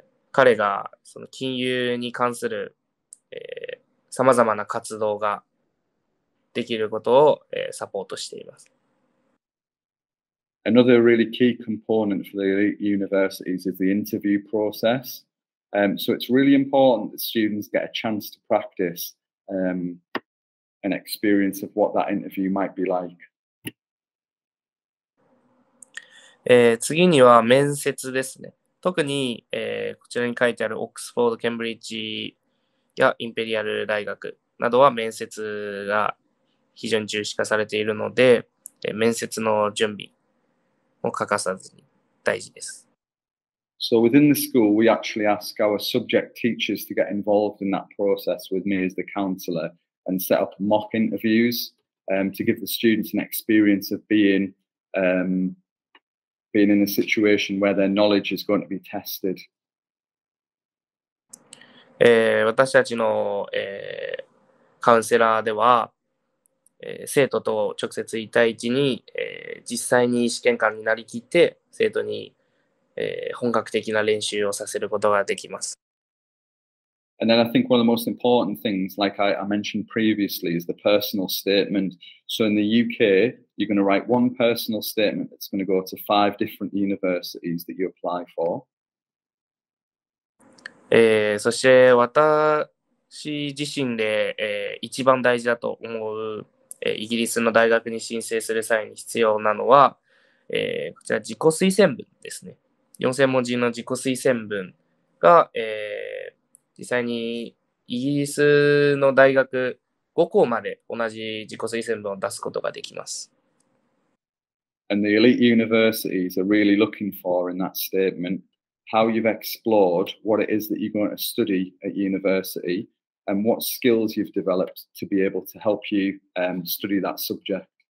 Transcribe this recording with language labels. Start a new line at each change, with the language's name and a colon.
Japanese: 彼がその金融に関する、さまざまな活動ができることを、サポートしています。
English: Another really key component for the elite universities is the interview process.、so it's really important that students get a chance to practice、an experience of what that interview might be like.、
Japanese: 次には面接ですね。特に、こちらに書いてあるオックスフォード、ケンブリッジやインペリアル大学などは面接が非常に重視化されているので、面接の準備を欠かさずに大事です。
English: So within the school, we actually ask our subject teachers to get involved in that process with me as the counselor and set up mock interviews、to give the students an experience of being,、being in a situation where their knowledge is going to be tested.、
Japanese: 私たちの、カウンセラーでは、生徒と直接一対一に、実際に試験官になりきって生徒に、本格的な練習をさせることができます。
English: And then I think one of the most important things, like I mentioned previously, is the personal statement. So in the UK, you're going to write one personal statement that's going to go to five different universities that you apply for.、
Japanese: そして私自身で、一番大事だと思うイギリスの大学に申請する際に必要なのは、こちら自己推薦文ですね。 4000文字の自己推薦文が、実際にイギリスの大学5校まで同じ自己推薦文を出すことができます。
English: And the elite universities are really looking for in that statement how you've explored what it is that you're going to study at university. And what skills you've developed to be able to help you、study that subject.